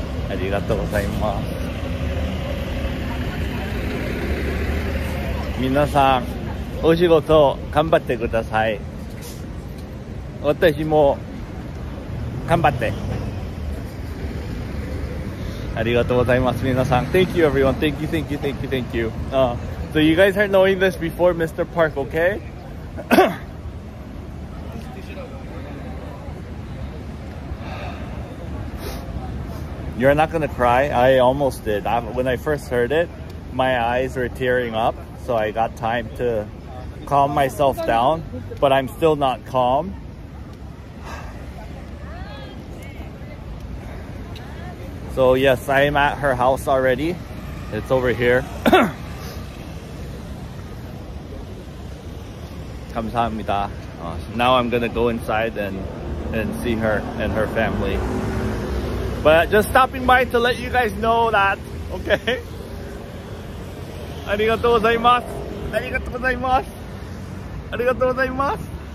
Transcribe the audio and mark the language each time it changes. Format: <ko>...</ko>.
<ja>ありがとうございます。みなさん、お仕事を頑張ってください。私も頑張って。ありがとうございます、みなさん。</ja> <en>Thank you, everyone. Thank you, thank you, thank you, thank you. So you guys are knowing this before Mr. Park, okay? You're not gonna cry? I almost did. When I first heard it, my eyes were tearing up. So I got time to calm myself down, but I'm still not calm. So yes, I am at her house already. It's over here.</en> <ko>감사합니다.</ko> <en>Now I'm gonna go inside and see her and her family. But just stopping by to let you guys know that, okay?</en> <ja>ありがとうございます。ありがとうございます。ありがとうございます。</ja>